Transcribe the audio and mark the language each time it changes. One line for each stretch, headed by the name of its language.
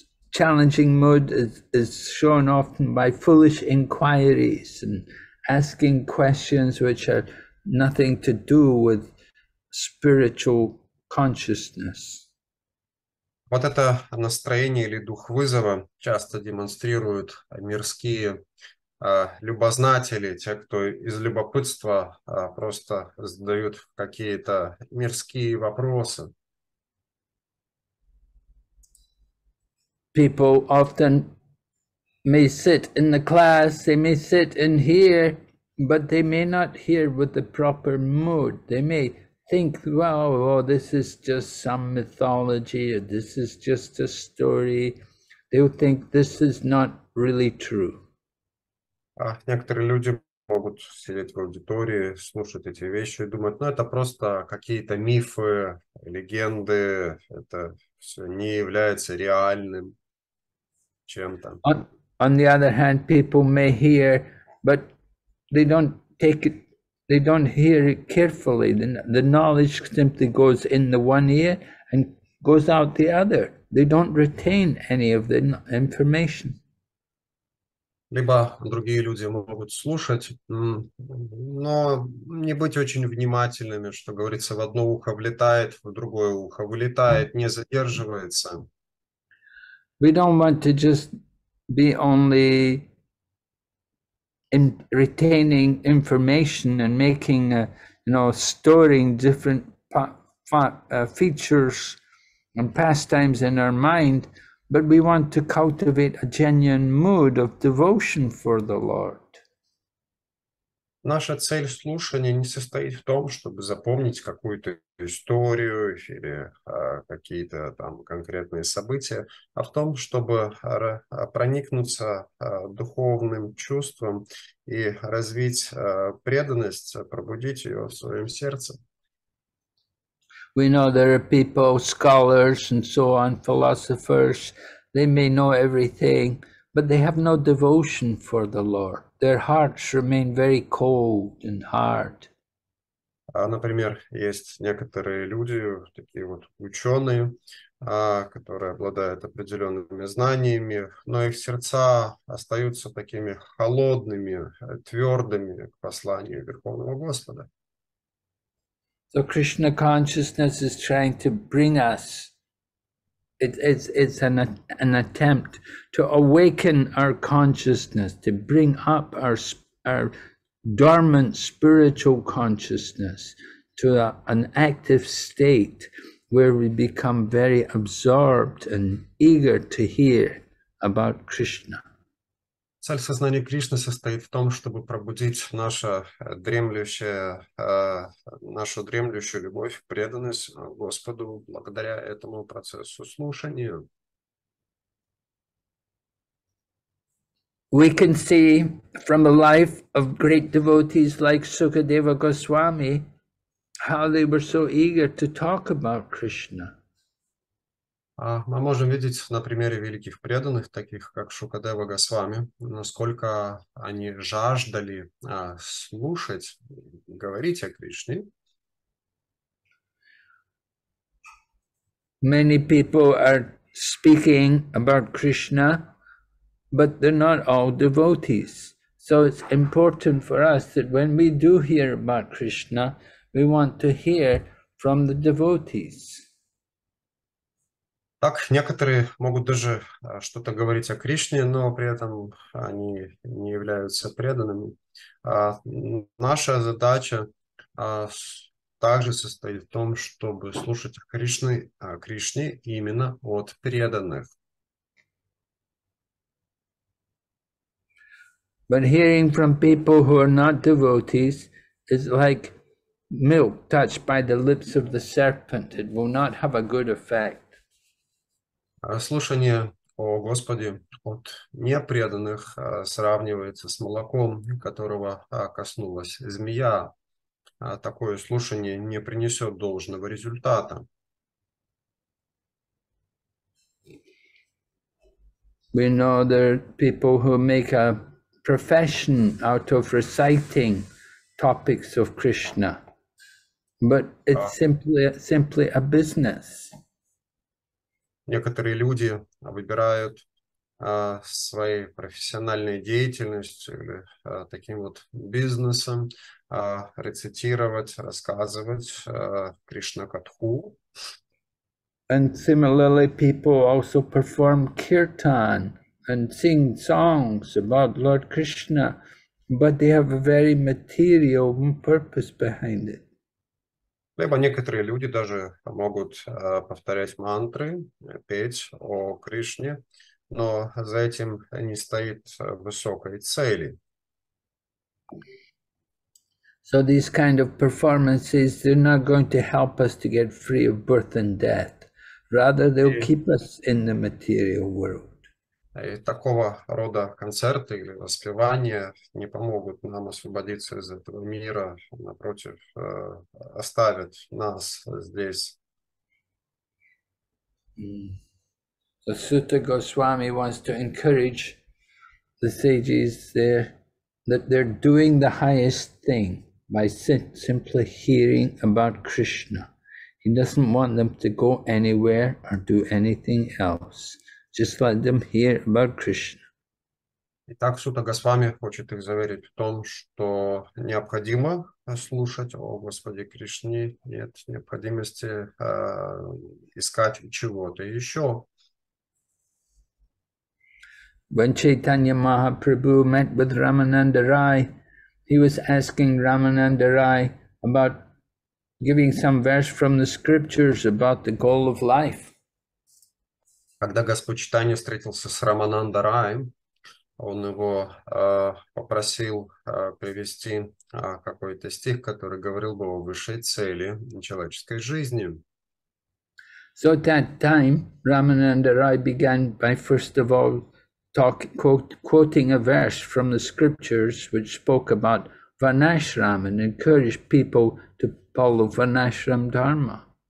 English: challenging mood is shown often by foolish inquiries and asking questions which have nothing to do with spiritual consciousness.
Russian: Вот это настроение или дух вызова часто демонстрируют мирские любознатели, те, кто из любопытства просто задают какие-то мирские вопросы.
English: People often may sit in the class, they may sit in here, but they may not hear with the proper mood. They may think, well, this is just some mythology, or this is just a story. They'll think this is not really true.
Russian: Некоторые люди могут сидеть в аудитории, слушать эти вещи и думать, ну, это просто какие-то мифы, легенды, это все не является реальным чем-то.
English: On the other hand, people may hear, but they don't take it, they don't hear it carefully. The knowledge simply goes in the one ear and goes out the other. They don't retain any of the information.
Russian: Либо другие люди могут слушать, но не быть очень внимательными, что говорится, в одно ухо влетает, в другое ухо вылетает, не задерживается.
English: We don't want to just be only in retaining information and making, storing different features and pastimes in our mind, but we want to cultivate a genuine mood of devotion for the Lord.
Russian: Наша цель слушания не состоит в том, чтобы запомнить какую-то историю или какие-то там конкретные события, а в том, чтобы проникнуться духовным чувством и развить преданность, пробудить ее в своем сердце.
English: We know there are people, scholars and so on, philosophers, they may know everything, but they have no devotion for the Lord. Their hearts remain very cold and hard.
Russian: Например, есть некоторые люди, такие вот ученые, которые обладают определенными знаниями, но их сердца остаются такими холодными, твердыми к посланию Верховного Господа.
English: So Krishna consciousness is trying to bring us. It's an attempt to awaken our consciousness, to bring up our dormant spiritual consciousness to an active state where we become very absorbed and eager to hear about Krishna.
Russian: Цель сознания Кришны состоит в том, чтобы пробудить нашу дремлющую любовь, преданность Господу благодаря этому процессу слушания.
English: We can see from the life of great devotees like Sukadeva Goswami how they were so eager to talk about Krishna.
Russian: Мы можем видеть на примере великих преданных, таких как Шукадева Госвами, насколько они жаждали слушать, говорить о Кришне.
English: Many people are speaking about Krishna, but they're not all devotees. So it's important for us that when we do hear about Krishna, we want to hear from the devotees.
Russian: Так, некоторые могут даже что-то говорить о Кришне, но при этом они не являются преданными. Наша задача также состоит в том, чтобы слушать о Кришне именно от преданных.
English: But hearing from people who are not devotees is like milk touched by the lips of the serpent. It will not have a good effect.
Russian: Слушание о Господе от непреданных сравнивается с молоком, которого коснулась змея. Такое слушание не принесет должного результата.
English: We know there are people who make a profession out of reciting topics of Krishna. But it's simply a business.
Russian: Некоторые люди выбирают своей профессиональной деятельностью или таким вот бизнесом рецитировать, рассказывать Кришна-катху.
English: And similarly, people also perform kirtan and sing songs about Lord Krishna, but they have a very material purpose behind it.
Russian: Либо некоторые люди даже могут повторять мантры, петь о Кришне, но за этим не стоит высокой цели.
English: So these kind of performances, they're not going to help us to get free of birth and death. Rather, they'll keep us in the material world.
Russian: И такого рода концерты или воспевания не помогут нам освободиться из этого мира, напротив, оставят нас здесь.
English: So Sutta Goswami wants to encourage the sages there that they're doing the highest thing by simply hearing about Krishna. He doesn't want them to go anywhere or do anything else. Just let them hear about Krishna.
Russian: Итак, Сута Госвами хочет их заверить в том, что необходимо слушать о Господе Кришне. Нет необходимости искать чего-то еще.
English: When Chaitanya Mahaprabhu met with Ramananda Rai, he was asking Ramananda Rai about giving some verse from the scriptures about the goal of life.
Russian: Когда Господь Чайтанья встретился с Рамананда Раем, он его попросил привести какой-то стих, который говорил бы о высшей цели человеческой жизни.
English: So at that time, Ramananda Rai began by first of all quoting a verse from the scriptures which spoke about Vanashram and encouraged people to follow Vanashram Dharma.